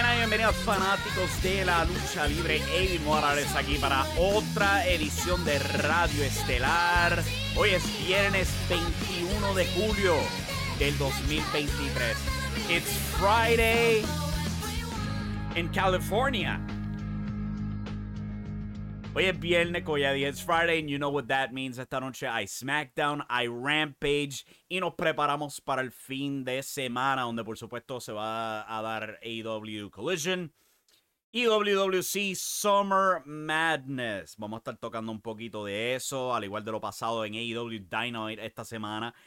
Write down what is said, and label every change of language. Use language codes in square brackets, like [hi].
[es] Bienvenidos fanáticos de la lucha libre, Eddie Morales aquí para otra edición de Radio Estelar. Hoy es viernes 21 de julio del 2023. [en] It's Friday in California. [es] Hoy es viernes, [en] Coyadi. It's Friday and you know what that means. [es] Esta noche hay SmackDown, hay Rampage y nos preparamos para el fin de semana donde por supuesto se va a dar AEW Collision y WWC Summer Madness. Vamos a estar tocando un poquito de eso, al igual de lo pasado en AEW Dynamite esta semana.